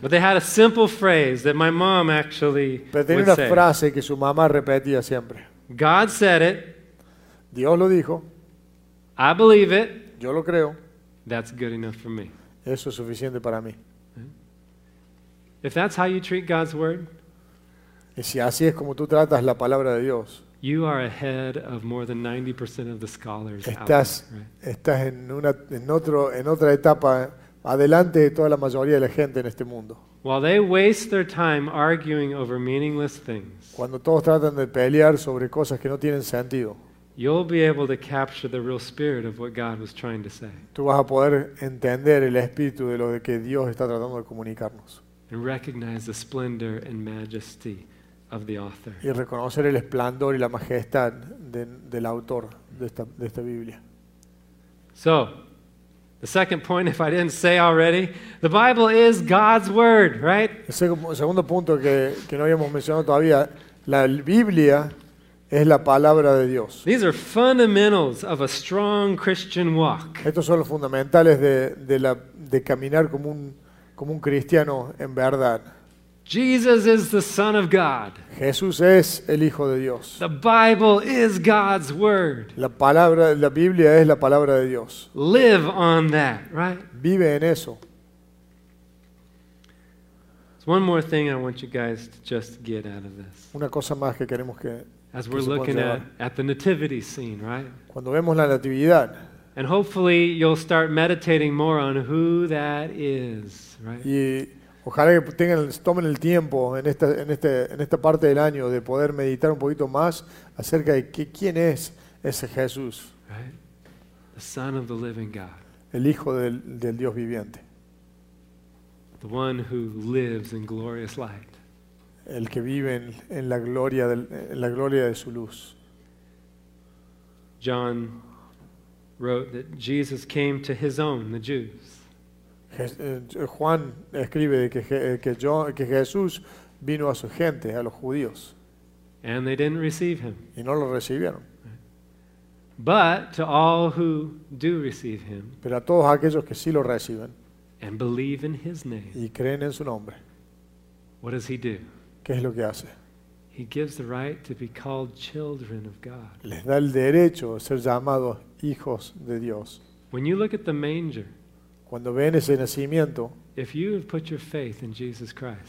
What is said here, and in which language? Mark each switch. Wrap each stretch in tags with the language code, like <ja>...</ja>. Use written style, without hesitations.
<en>But they had a simple phrase that my mom actually would say.</en> <es>Pero tenía una frase que su mamá repetía siempre.</es> <en>God said it.</en> <es>Dios lo dijo.</es> <en>I believe it.</en> <es>Yo lo creo.</es> <en>That's good enough for me.</en> <es>Eso es suficiente para mí.</es> <en>If that's how you treat God's word,</en> <es>y si así es como tú tratas la palabra de Dios,</es> <en>you are ahead of more than 90% of the scholars.</en> <es>Estás en otra etapa adelante de toda la mayoría de la gente en este mundo.</es> <en>While they waste their time arguing over meaningless things,</en> <es>cuando todos tratan de pelear sobre cosas que no tienen sentido,</es> <en>you'll be able to capture the real spirit of what God was trying to say.</en> <es>Tú vas a poder entender el espíritu de lo que Dios está tratando de comunicarnos.</es> <en>And recognize the splendor and majesty of the author.</en> <es>Y reconocer el esplendor y la majestad del autor de esta Biblia.</es> <en>So, the second point, if I didn't say already, the Bible is God's word, right?</en> <es>Segundo punto que no habíamos mencionado todavía, la Biblia es la palabra de Dios.</es> <en>These are fundamentals of a strong Christian walk.</en> <es>Estos son los fundamentales de caminar como un cristiano en verdad.</es> <en>Jesus is the Son of God.</en> <es>Jesús es el Hijo de Dios.</es> <en>The Bible is God's word.</en> <es>La Biblia es la palabra de Dios.</es> <en>Live on that, right?</en> <es>Vive en eso.</es> <en>There's one more thing I want you guys to just get out of this.</en> <es>Una cosa más que queremos que</es> <en>as we're looking at the nativity scene, right?</en> <es>Cuando vemos la natividad.</es> <en>And hopefully you'll start meditating more on who that is, right?</en> <es>Y ojalá que tomen el tiempo en esta parte del año de poder meditar un poquito más acerca de quién es ese Jesús.</es> <en>Right? The Son of the Living God.</en> <es>El Hijo del Dios viviente.</es> <en>The one who lives in glorious light.</en> <es>El que vive en la gloria de su luz.</es> <en>John wrote that Jesus came to his own, the Jews.</en> <es>Juan escribe que Jesús vino a su gente, a los judíos.</es> <en>And they didn't receive him.</en> <es>Y no lo recibieron.</es> <en>But to all who do receive him.</en> <es>Pero a todos aquellos que sí lo reciben.</es> <en>And believe in his name.</en> <es>Y creen en su nombre.</es> <en>What does he do?</en> <es>¿Qué es lo que hace?</es> <en>He gives the right to be called children of God.</en> <es>Les da el derecho de ser llamados hijos de Dios.</es> <en>When you look at the manger,</en> <es>cuando ven ese nacimiento,</es> <en>if you have put your faith in Jesus Christ,</en>